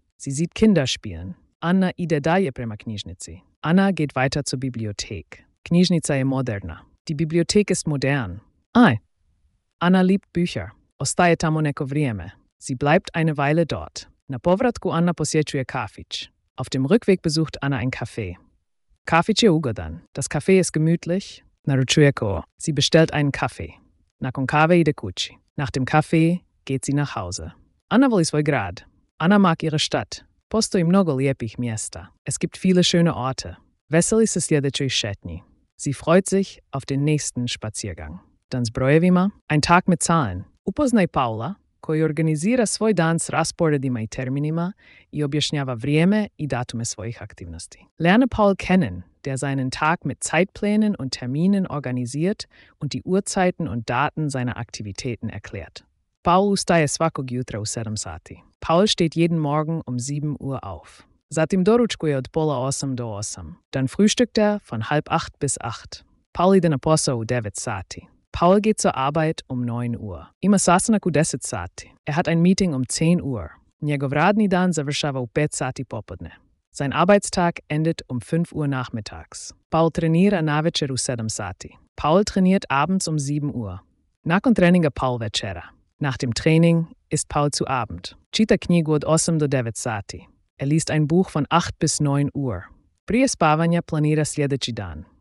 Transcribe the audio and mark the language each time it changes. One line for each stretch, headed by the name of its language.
German: Sie sieht Kinder spielen.
Croatian: Anna ide dalje prema knjižnici.
German: Anna geht weiter zur Bibliothek.
Croatian: Knjižnica je moderna.
German: Die Bibliothek ist modern. Ai. Anna liebt Bücher.
Croatian: Ostaje tamo neko vrijeme.
German: Sie bleibt eine Weile dort.
Croatian: Na povratku Anna posjećuje kafić.
German: Auf dem Rückweg besucht Anna ein Café.
Croatian: Kafić je ugodan.
German: Das Café ist gemütlich.
Croatian: Naručuje ko.
German: Sie bestellt einen Kaffee.
Croatian: Nakon kave ide kući.
German: Nach dem Café geht sie nach Hause.
Croatian: Anna voli svoj grad.
German: Anna mag ihre Stadt.
Croatian: Postoji mnogo lijepih mjesta.
German: Es gibt viele schöne Orte.
Croatian: Veseli se sljedećoj šetnji.
German: Sie freut sich auf den nächsten Spaziergang.
Croatian: Dan s brojevima.
German: Ein Tag mit Zahlen.
Croatian: Upoznaj Paula, koji organizira svoj dan s rasporedima i terminima i objašnjava vrijeme i datume svojih aktivnosti.
German: Lerne Paul kennen, der seinen Tag mit Zeitplänen und Terminen organisiert und die Uhrzeiten und Daten seiner Aktivitäten erklärt.
Croatian: Paul ustaje svakog jutra u 7 sati.
German: Paul steht jeden Morgen um 7 Uhr auf.
Croatian: Zatim doručkuje od pola 8 do 8.
German: Dann frühstückt er von 7:30 bis 8.
Croatian: Paul ide na posao u 9 sati.
German: Paul geht zur Arbeit um 9 Uhr.
Croatian: Ima sastanak u 10 sati.
German: Er hat ein Meeting um 10 Uhr.
Croatian: Njegov radni dan završava u 5 sati popodne.
German: Sein Arbeitstag endet um 5 Uhr nachmittags.
Croatian: Paul trenira navečer u 7 sati.
German: Paul trainiert abends um 7 Uhr.
Croatian: Nakon treninga Paul večera.
German: Nach dem Training ist Paul zu Abend.
Croatian: Čita knjigu od 8 do 9 sati.
German: Er liest ein Buch von 8 bis 9 Uhr.
Croatian: Prije spavanja planira sljedeći dan.